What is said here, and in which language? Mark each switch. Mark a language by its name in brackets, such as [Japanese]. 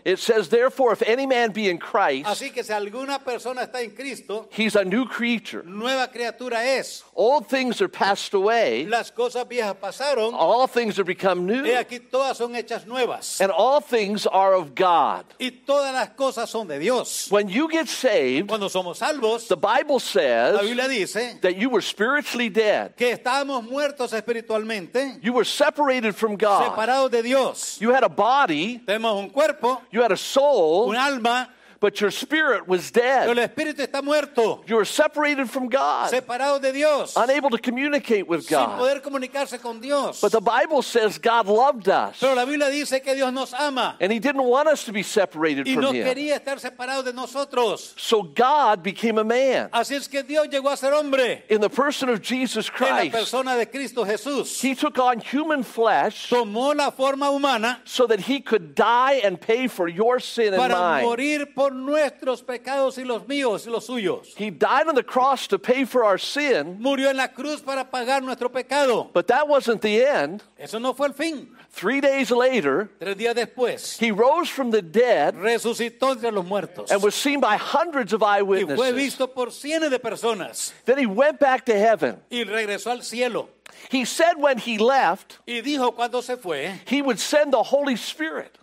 [English] It says, therefore, if any man be in Christ, [Spanish] así que si alguna persona está en Cristo, [English] he's a new creature. [Spanish] Nueva criatura es. [English] Old things are passed away. [Spanish] Las cosas viejas pasaron. [English] All things are become new. [Spanish] Y aquí todas son hechas nuevas. [English] And all things are of God. [Spanish] Y todas las cosas son de Dios. [English] When you get saved, [Spanish] cuando somos salvos, [English] the Bible says, [Spanish] la Biblia dice, [English] that you were spiritually dead. [Spanish] Que estábamos muertos espiritualmente. [English] You were separated from God. [Spanish] Separados de Dios. [English] You had a body. [Spanish] Tenemos un cuerpo. [English] You had a soul. [Spanish] Un alma. [English] But your spirit was dead. [Spanish] Pero el espíritu está muerto. [English] You were separated from God. [Spanish] Separado de Dios. [English] Unable to communicate with God. [Spanish] Sin poder comunicarse con Dios. [English] But the Bible says God loved us. [Spanish] Pero la Biblia dice que Dios nos ama. [English] And he didn't want us to be separated [Spanish] y [English] from [Spanish] no [English] him. [Spanish] Quería estar separado de nosotros. [English] So God became a man. [Spanish] Así es que Dios llegó a ser hombre. [English] In the person of Jesus Christ. [Spanish] En la persona de Cristo Jesús. [English] He took on human flesh. [Spanish] Tomó la forma humana. [English] So that he could die and pay for your sin [Spanish] para [English] and mine. [Spanish] Morir por nuestros pecados y los míos y los suyos. [English] He died on the cross to pay for our sin. [Spanish] Murió en la cruz para pagar nuestro pecado. [English] But that wasn't the end. [Spanish] Eso no fue el fin. [English] 3 days later, [Spanish] 3 días después, [English] he rose from the dead, [Spanish] resucitó entre los muertos, [English] and was seen by hundreds of eyewitnesses. [Spanish] Y fue visto por cientos de personas. [English] Then he went back to heaven. [Spanish] Y regresó al cielo. [English] He said when he left, [Spanish] y dijo cuando se fue, [English] he would send the Holy Spirit.